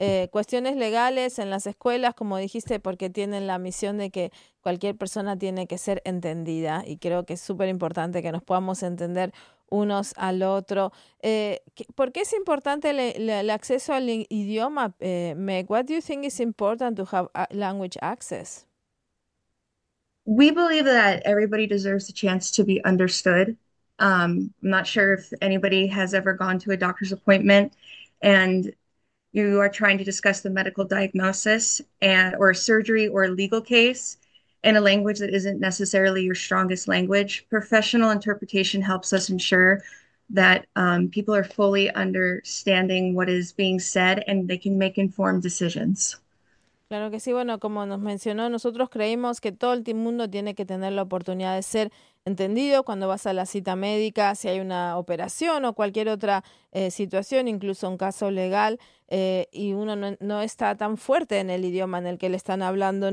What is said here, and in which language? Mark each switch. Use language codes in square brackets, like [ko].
[es] Cuestiones legales en las escuelas, como dijiste, porque tienen la misión de que cualquier persona tiene que ser entendida, y creo que es súper importante que nos podamos entender unos al otro. ¿Por qué es importante el acceso al idioma, Mec? [en] What do you think is important to have language access? We believe that everybody deserves a chance to be understood. I'm not sure if anybody has ever gone to a doctor's appointment and you are trying to discuss the medical diagnosis or surgery or a legal case in a language that isn't necessarily your strongest language. Professional interpretation helps us ensure that people are fully understanding what is being said and they can make informed decisions. [es] Claro que sí. Bueno, como nos mencionó, nosotros creemos que todo el mundo tiene que tener la oportunidad de ser entendido cuando vas a la cita médica, si hay una operación o cualquier otra situación, incluso un caso legal, y uno no está tan fuerte en el idioma en el que le están hablando.